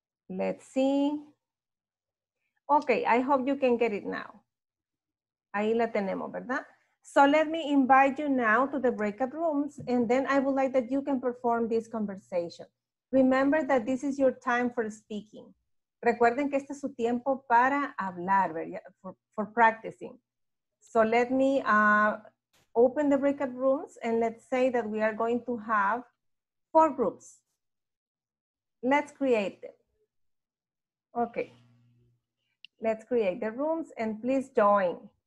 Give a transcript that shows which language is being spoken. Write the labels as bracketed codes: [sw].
[en] Let's see. Okay, I hope you can get it now. [es] Ahí la tenemos, ¿verdad? [en] So let me invite you now to the breakout rooms, and then I would like that you can perform this conversation. Remember that this is your time for speaking. [es] Recuerden que este es su tiempo para hablar, [en] for practicing. So let me open the breakout rooms, and let's say that we are going to have four groups. Let's create them. Okay. Let's create the rooms, and please join.